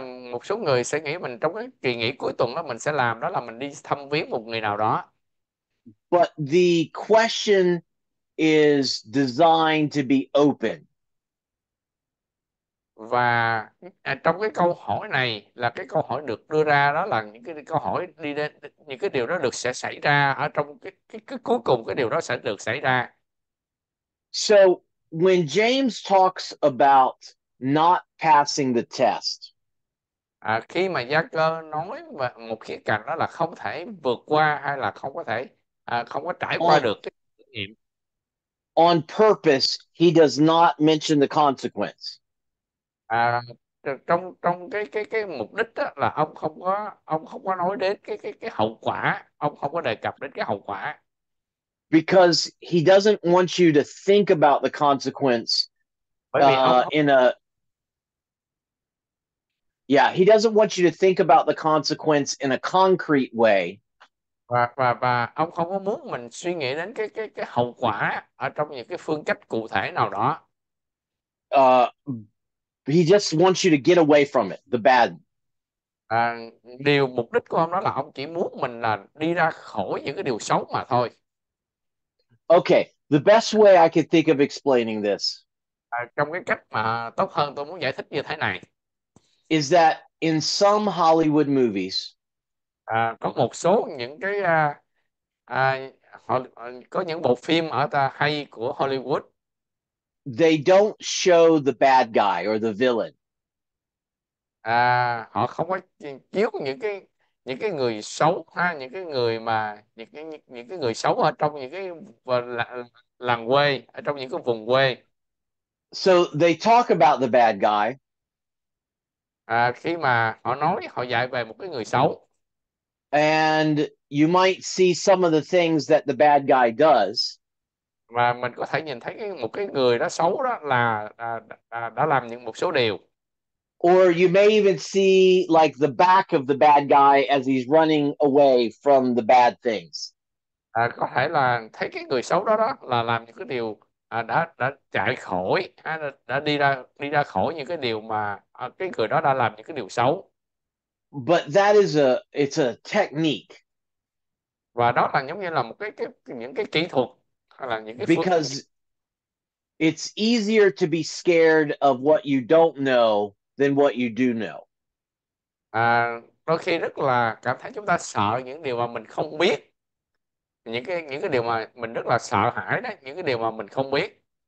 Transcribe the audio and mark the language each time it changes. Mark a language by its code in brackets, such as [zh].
[vi] Một số người sẽ nghĩ mình trong cái kỳ nghỉ cuối tuần đó mình sẽ làm đó là mình đi thăm viếng một người nào đó. [en] But the question is designed to be open. [vi] Và trong cái câu hỏi này là cái câu hỏi được đưa ra đó là những cái câu hỏi đi đến những cái điều đó được sẽ xảy ra ở trong cái cuối cùng cái điều đó sẽ được xảy ra. [en] So when James talks about not passing the test, [vi] À, khi mà Gia Cơ nói về một khía cạnh đó là không thể vượt qua hay là không có thể không có trải qua được cái kinh nghiệm. [en] on purpose, he does not mention the consequence. [vi] À, trong trong cái mục đích đó là ông không có nói đến cái hậu quả, ông không có đề cập đến cái hậu quả. [en] Because he doesn't want you to think about the consequence [vi] Bởi vì ông [en] in a yeah, he doesn't want you to think about the consequence in a concrete way. [vi] và ông không có muốn mình suy nghĩ đến cái hậu quả ở trong những cái phương cách cụ thể nào đó. [en] He just wants you to get away from it, the bad. [vi] À, điều mục đích của ông đó là ông chỉ muốn mình là đi ra khỏi những cái điều xấu mà thôi. [en] Okay, the best way I could think of explaining this [vi] À, trong cái cách mà tốt hơn tôi muốn giải thích như thế này. [en] is that in some Hollywood movies, [vi] À, có một số những cái có những bộ phim ở ta hay của Hollywood. [en] they don't show the bad guy or the villain. [vi] À, họ không có chiếu những cái người xấu ha, những cái người mà những cái người xấu ở trong những cái làng quê, ở trong những cái vùng quê. [en] So they talk about the bad guy. [vi] À, khi mà họ nói họ dạy về một cái người xấu. [en] And you might see some of the things that the bad guy does. [vi] Và mình có thể nhìn thấy một cái người đó xấu đó là đã làm những một số điều. [en] Or you may even see like the back of the bad guy as he's running away from the bad things. [vi] À, có thể là thấy cái người xấu đó đó là làm những cái điều đã chạy khỏi hay đã đi ra khỏi những cái điều mà cái người đó đã làm những cái điều xấu. [en] But that is a it's a technique. [vi] Và đó là giống như là một cái những cái kỹ thuật hay là những cái phương. [en] Because it's easier to be scared of what you don't know than what you do know. [vi] À, đôi khi rất là cảm thấy chúng ta sợ những điều mà mình không biết. Những cái điều mà mình rất là sợ hãi đó, những cái điều mà mình không biết.